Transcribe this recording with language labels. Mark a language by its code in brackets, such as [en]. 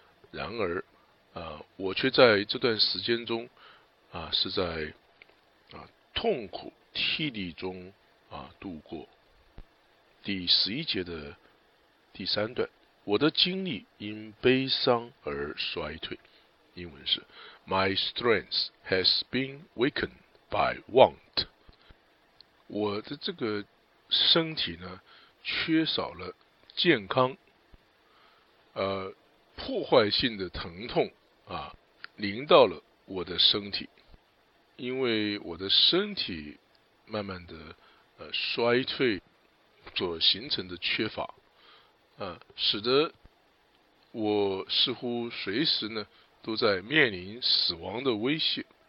[zh] 然而我却在这段时间中是在痛苦涕泪中度过。第十一节的第三段，我的精力因悲伤而衰退。英文是 [en] My strength has been weakened by want。 [zh] 我的这个身体呢，缺少了健康，破坏性的疼痛临到了我的身体，因为我的身体慢慢的衰退所形成的缺乏，使得我似乎随时呢都在面临死亡的威胁。